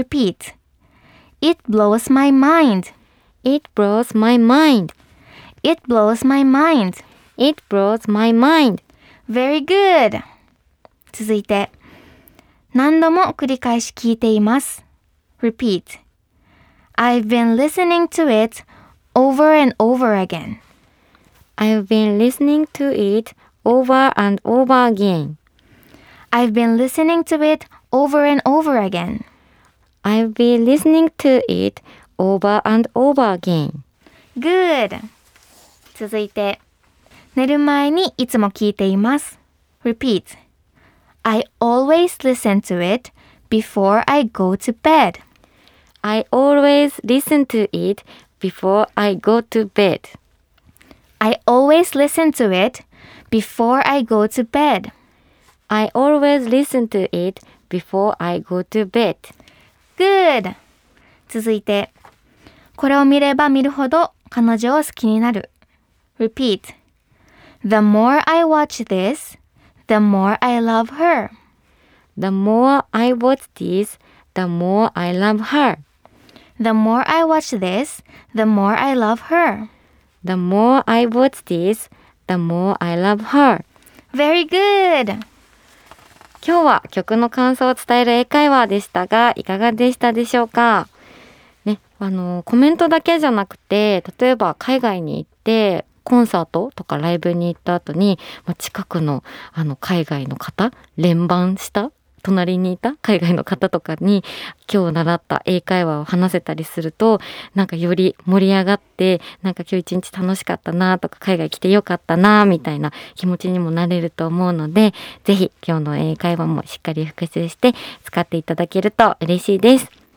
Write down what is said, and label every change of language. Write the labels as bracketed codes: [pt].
[en] Repeat. It blows my mind. It blows my mind. It blows my mind. It blows my mind. Very good. [ja] 続いて、何度も繰り返し聞いています。 [en] Repeat. I've been listening to it over and over again. I've been listening to it over and over again. I've been listening to it over and over again. I've been listening to it over and over again. Good. [ja] 続いて、寝る前にいつも聞いています。 [en] Repeat. I always listen to it before I go to bed. I always listen to it before I go to bed. I always listen to it before I go to bed. I always listen to it before I go to bed. Good! [ja] 続いて、これを見れば見るほど彼女を好きになる。 [en] Repeat. The more I watch this, the more I love her. The more I watch this, the more I love her. The more I watch this, the more I love her. The more I watch this, the more I love her. Very good! [ja] 今日は曲の感想を伝える英会話でしたが、いかがでしたでしょうか？ね、コメントだけじゃなくて、例えば海外に行って、コンサートとかライブに行った後に、近くの、海外の方、連番した隣にいた海外の方とかに今日習った英会話を話せたりすると、なんかより盛り上がって、なんか今日一日楽しかったなとか、海外来てよかったなみたいな気持ちにもなれると思うので、ぜひ今日の英会話もしっかり復習して使っていただけると嬉しいです。